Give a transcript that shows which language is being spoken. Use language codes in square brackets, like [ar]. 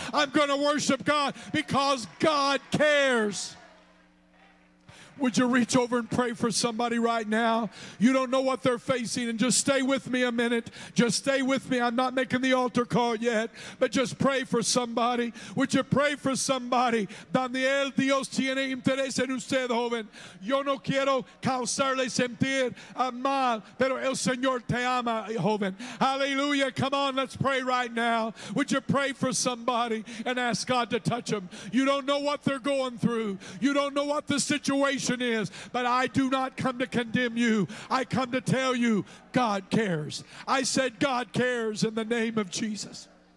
[en] I'm going to worship God because God cares. Would you reach over and pray for somebody right now? You don't know what they're facing, and just stay with me a minute. Just stay with me. I'm not making the altar call yet, but just pray for somebody. Would you pray for somebody? [es] Daniel, Dios tiene interés en usted, joven. Yo no quiero causarle sentir mal, pero el Señor te ama, joven. [en] Hallelujah. Come on, let's pray right now. Would you pray for somebody and ask God to touch them? You don't know what they're going through. You don't know what the situation is, but I do not come to condemn you. I come to tell you God cares. I said God cares in the name of Jesus.